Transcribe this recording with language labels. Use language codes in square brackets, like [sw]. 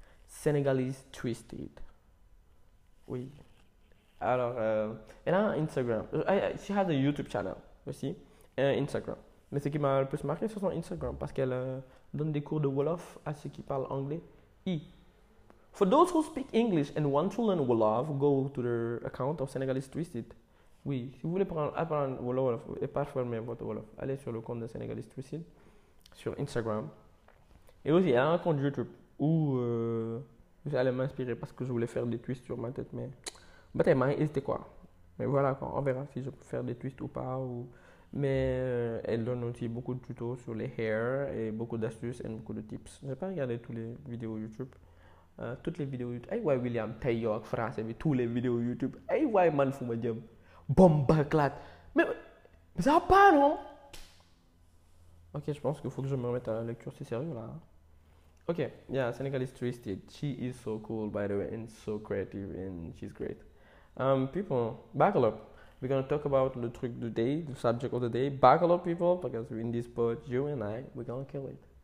[fr] Senegalese Twisted. Oui. Alors, elle a un Instagram. [en] She has a YouTube channel [fr] aussi. Et un Instagram. Mais ce qui m'a le plus marqué, c'est son Instagram. Parce qu'elle donne des cours de Wolof à ceux qui parlent anglais. I. [en] For those who speak English and want to learn Wolof, go to their account of Senegalese Twisted. [fr] Oui. Si vous voulez apprendre Wolof et performer votre Wolof, allez sur le compte de Senegalese Twisted sur Instagram. Et aussi, elle a un compte YouTube. Où j'allais m'inspirer parce que je voulais faire des twists sur ma tête, mais. Bataille, c'était quoi? Mais voilà, quoi. On verra si je peux faire des twists ou pas. Ou... Mais elle donne aussi beaucoup de tutos sur les hairs et beaucoup d'astuces et beaucoup de tips. J'ai pas regardé toutes les vidéos YouTube. Toutes les vidéos YouTube. Hey, why William, Tayok, français, mais tous les vidéos YouTube. Hey, why man, fou, madame. Bombaclat. Mais ça va pas, non? Ok, je pense qu'il faut que je me remette à la lecture, c'est sérieux là. Hein? Ok, yeah, Senegalese Twisted. [en] She is so cool, by the way, and so creative, and she's great. People, buckle up. We're gonna talk about [fr] le truc du [en] day, the subject of the day. Buckle up, people, because we're in this boat, you and I, we're gonna kill it.